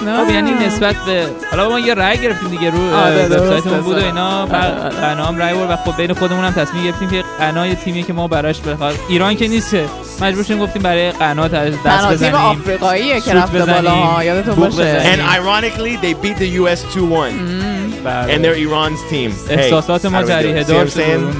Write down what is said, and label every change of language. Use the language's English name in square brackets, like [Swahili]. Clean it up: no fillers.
[Persian] خب یعنی نسبت به حالا ما یه رأی گرفتیم دیگه رو وبسایتمون بود و اینا، غنا هم رأی برد و خب بین خودمون هم تصمیم گرفتیم که غنا یه تیمی که ما براش بخواد ایران که نیست، مجبور شدیم گفتیم برای غنا دست بزنیم. تیم آفریقاییه که رفت بالا، یادتون باشه. [English] And ironically they beat the US 2-1. And they're Iran's team. [Persian] احساسات ما جریحه دار شده اون